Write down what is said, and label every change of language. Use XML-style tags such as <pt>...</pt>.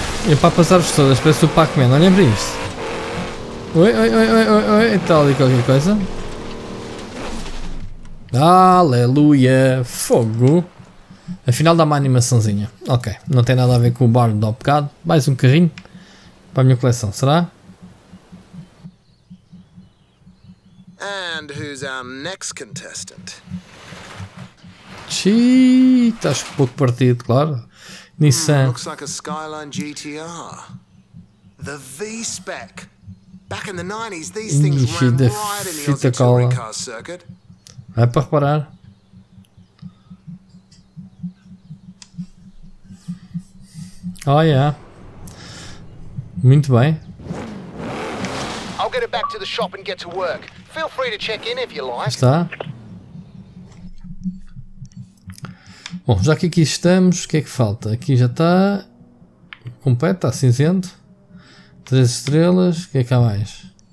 <pt>E para passar-vos todas, parece o Pac-Man, olhem para isto. Oi, está ali qualquer coisa. Aleluia, fogo. Afinal dá uma animaçãozinha. Ok, não tem nada a ver com o barulho do bocado. Mais um carrinho para a minha coleção, será?</pt> <en>And who's our next contestant?</en> <pt>Estás pouco partido, claro. Nissan.</pt> <en>Looks like a Skyline GTR. The V-Spec. Back in the 90s, these things ran wild in the touring car circuit.</en> <pt>É para reparar.</pt> <en>Oh, yeah.</en> <pt>Muito bem.</pt> <en>I'll get it back to the shop and get to work. Feel free to check in if you like.</en> <pt>Está. Bom, já que aqui estamos, o que é que falta? Aqui já está completo, está cinzento. 3 estrelas, o que é que há mais?</pt>